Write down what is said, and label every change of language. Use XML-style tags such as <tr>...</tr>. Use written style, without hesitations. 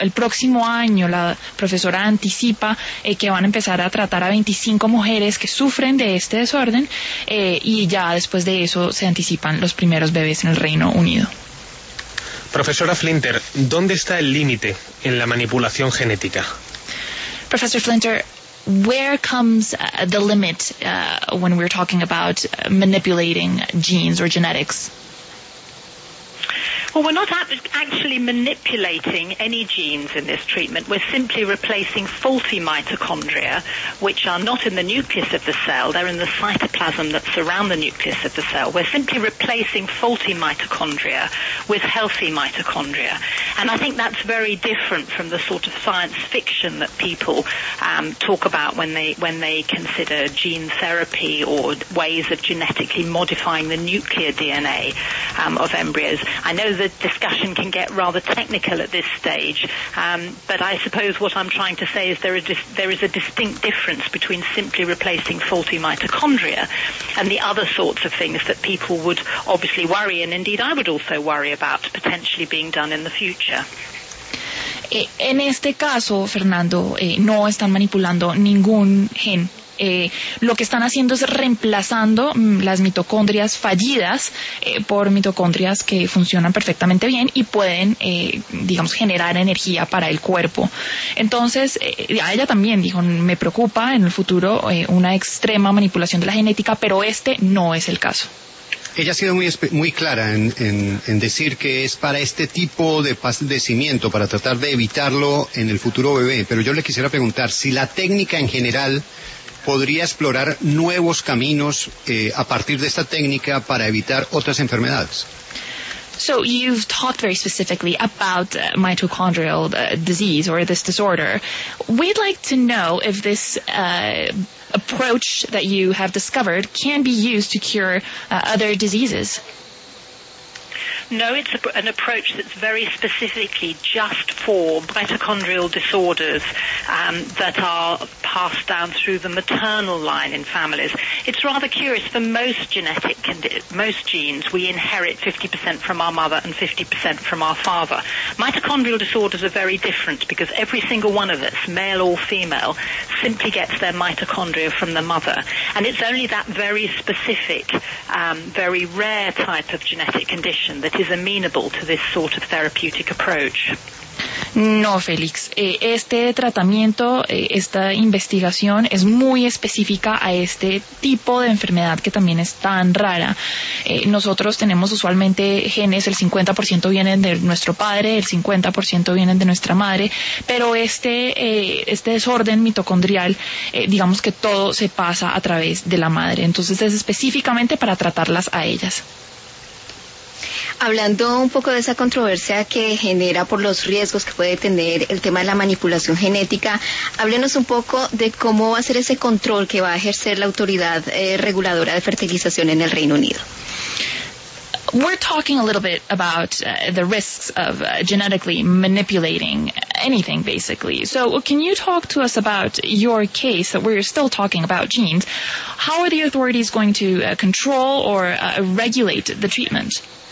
<es>El próximo año la profesora anticipa que van a empezar a tratar a 25 mujeres que sufren de este desorden y ya después de eso se anticipan los primeros bebés en el Reino Unido. Profesora Flinter, ¿dónde está el límite en la manipulación genética?</es> <en>Professor Flinter, where comes the limit when we're talking about manipulating genes or genetics? Well, we're not actually manipulating any genes in this treatment. We're simply replacing faulty mitochondria, which are not in the nucleus of the cell. They're in the cytoplasm that's around the nucleus of the cell. We're simply replacing faulty mitochondria with healthy mitochondria. And I think that's very different from the sort of science fiction that people talk about when they consider gene therapy or ways of genetically modifying the nuclear DNA of embryos. I know that the discussion can get rather technical at this stage, but I suppose what I'm trying to say is there is a distinct difference between simply replacing faulty mitochondria and the other sorts of things that people would obviously worry, and indeed I would also worry about potentially being done in the future.</en> <es>En este caso, Fernando, no están manipulando ningún gen. Lo que están haciendo es reemplazando las mitocondrias fallidas por mitocondrias que funcionan perfectamente bien y pueden, digamos, generar energía para el cuerpo. Entonces, a ella también dijo, me preocupa en el futuro una extrema manipulación de la genética, pero este no es el caso. Ella ha sido muy clara en decir que es para este tipo de padecimiento, para tratar de evitarlo en el futuro bebé. Pero yo le quisiera preguntar si la técnica en general podría explorar nuevos caminos a partir de esta técnica para evitar otras enfermedades.</es> <en>So you've talked very specifically about mitochondrial disease or this disorder. We'd like to know if this approach that you have discovered can be used to cure other diseases. No, it's an approach that's very specifically just for mitochondrial disorders that are passed down through the maternal line in families. It's rather curious. For most genetic most genes, we inherit 50% from our mother and 50% from our father. Mitochondrial disorders are very different because every single one of us, male or female, simply gets their mitochondria from the mother. And it's only that very specific, very rare type of genetic condition that is amenable to this sort of therapeutic approach.</en> <es>No, Félix. Este tratamiento, esta investigación es muy específica a este tipo de enfermedad que también es tan rara. Nosotros tenemos usualmente genes, el 50% vienen de nuestro padre, el 50% vienen de nuestra madre, pero este desorden mitocondrial, digamos que todo se pasa a través de la madre. Entonces es específicamente para tratarlas a ellas. Hablando un poco de esa controversia que genera por los riesgos que puede tener el tema de la manipulación genética, háblenos un poco de cómo va a ser ese control que va a ejercer la autoridad reguladora de fertilización en el Reino Unido.</es> <en>We're talking a little bit about the risks of genetically manipulating anything, basically. So can you talk to us about your case that we're still talking about genes? How are the authorities going to control or regulate the treatment?</en>